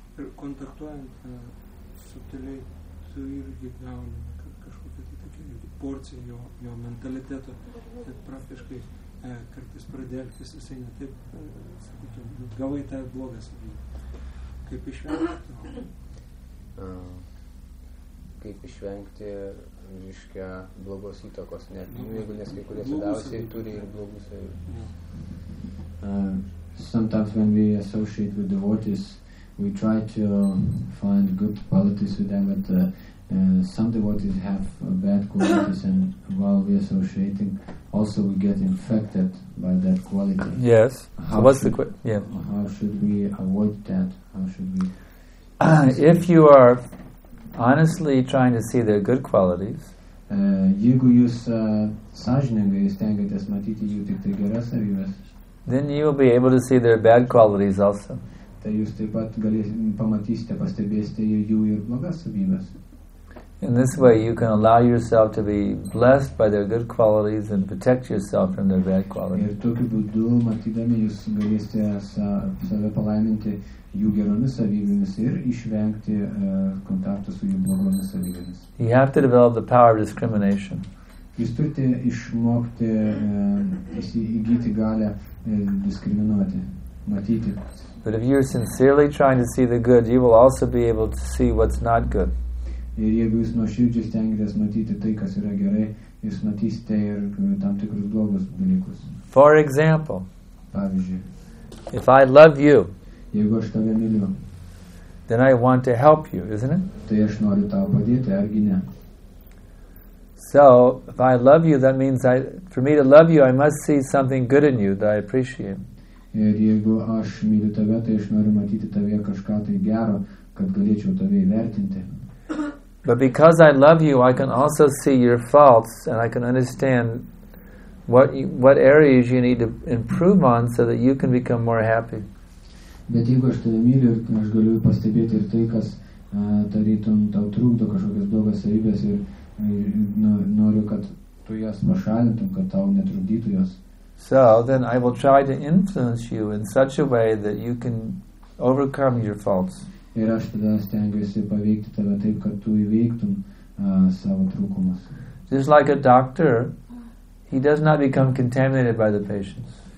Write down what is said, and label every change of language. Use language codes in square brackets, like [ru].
[lt] Ir kontaktuojant subtiliai, tu irgi gauni kažkokią tokią porciją jo mentaliteto, kad praktiškai kartais pradėlkis visai ne taip, sakykime, gavai tą blogą savybę. Kaip išvengti? Kaip išvengti reiškia blogos įtakos, net jeigu nes kai kurie sudavusiai turi ir blogus. [en] Sometimes when we associate with devotees, we try to find good qualities with them, but some devotees have bad qualities, and while we associating also we get infected by that quality. Yes. How should we avoid that? How should we? If you are honestly trying to see their good qualities, [lt] jeigu jūs sąžiningai stengiatės matyti jų tik tai geras savybės, [en] then you will be able to see their bad qualities also. [lt] Tai jūs taip pat pamatysite, pastebėsite jų ir blogas savybės. [en] In this way you can allow yourself to be blessed by their good qualities and protect yourself from their bad qualities. [lt] Ir tokiu būdu, matydami, jūs galėsite save palaiminti jų geromis savybėmis ir išvengti kontakto su jų blogomis savybėmis. [en] You have to develop the power of discrimination. [lt] Jūs turite išmokti įgyti galę diskriminuoti, matyti. [en] But if you are sincerely trying to see the good, you will also be able to see what's not good. [lt] Ir jeigu jūs nuo širdžiai stengiatės matyti tai, kas yra gerai, jūs matysite ir tam tikrus blogus dalykus. [en] For example, [lt] pavyzdžiui, [en] if I love you, [lt] jeigu aš tave myliu, [en] then I want to help you, isn't it? [lt] Tai aš noriu tau padėti, argi ne? [en] So, if I love you, that means I, for me to love you, I must see something good in you that I appreciate. [lt] Ir jeigu aš myliu tave, tai aš noriu matyti tave kažką tai gero, kad galėčiau tave įvertinti. [en] But because I love you, I can also see your faults and I can understand what areas you need to improve on so that you can become more happy. [lt] Bet jeigu aš tave myliu, aš galiu pastebėti ir tai, kas tarytum tau trukdo kažkokias blogas savybės ir noriu, kad tu jas pašalintum, kad tau netrukdytų jos. [en] So then I will try to influence you in such a way that you can overcome your faults. [lt] Ir aš tada stengiuosi paveikti tave taip, kad tu įveiktum savo trūkumus. [en] Just like a doctor, he does not become contaminated by the patients.